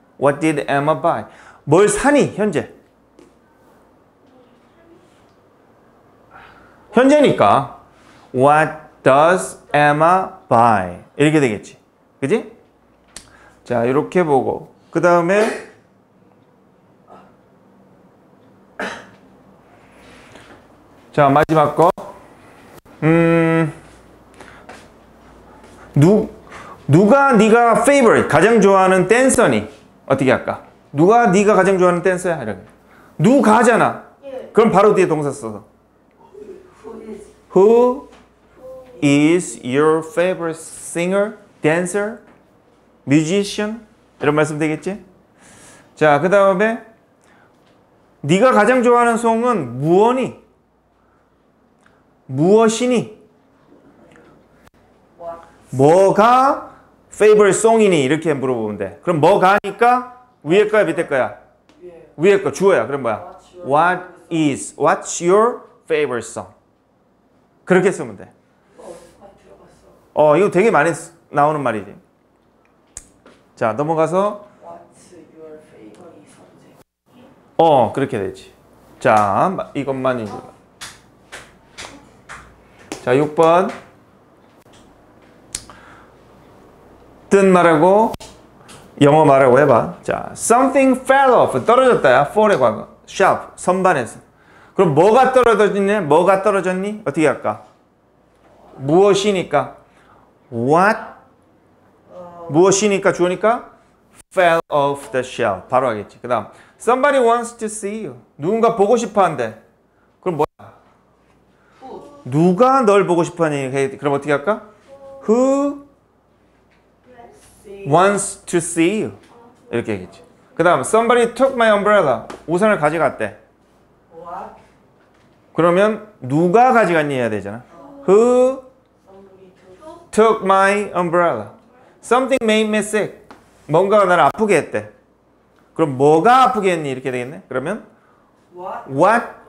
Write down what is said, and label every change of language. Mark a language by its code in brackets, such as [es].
[en] what did Emma buy [ko] 뭘 사니 현재 현재니까 [en] what does Emma buy [ko] 이렇게 되겠지. 그지? 자 이렇게 보고 그 다음에 자 마지막 거 누가 네가 favorite 가장 좋아하는 댄서니 어떻게 할까? 누가 네가 가장 좋아하는 댄서야? 이렇게 누가잖아. 예. 그럼 바로 뒤에 동사 써서. [en] Who is your favorite singer, dancer, musician? [ko] 이런 말씀 되겠지? 자, 그 다음에 네가 가장 좋아하는 송은 무언이? 무엇이니? 뭐가 favorite song이니? 이렇게 물어보면 돼. 그럼 뭐가니까? 위에 거야, 밑에 거야? 위에 거, 주어야. 그럼 뭐야? [en] What's your favorite song? [ko] 그렇게 쓰면 돼. 어, 이거 되게 많이 나오는 말이지. 자, 넘어가서. [en] What's your favorite song? [ko] 어, 그렇게 되지. 자, 이것만 이제. 자, 6번. 뜬 말하고 영어 말하고 해봐. 자, [en] something fell off. [ko] 떨어졌다야. fall의 과거. sharp. 선반에서. 그럼 뭐가 떨어졌니? 뭐가 떨어졌니? 어떻게 할까? 무엇이니까? what? 무엇이니까 주어니까? [en] fell off the shelf. [ko] 바로 하겠지. 그 다음. [en] somebody wants to see you. [ko] 누군가 보고 싶어 한대. 그럼 뭐야? 누가 널 보고 싶어 하니? 그럼 어떻게 할까? who? [en] wants to see you. [ko] 이렇게 얘기했지. 그 다음, [en] somebody took my umbrella. [ko] 우산을 가져갔대. [en] What? [ko] 그러면, 누가 가져갔니 해야 되잖아. [en] Who took my umbrella? Something made me sick. [ko] 뭔가가 나를 아프게 했대. 그럼 뭐가 아프게 했니? 이렇게 되겠네. 그러면, [en] What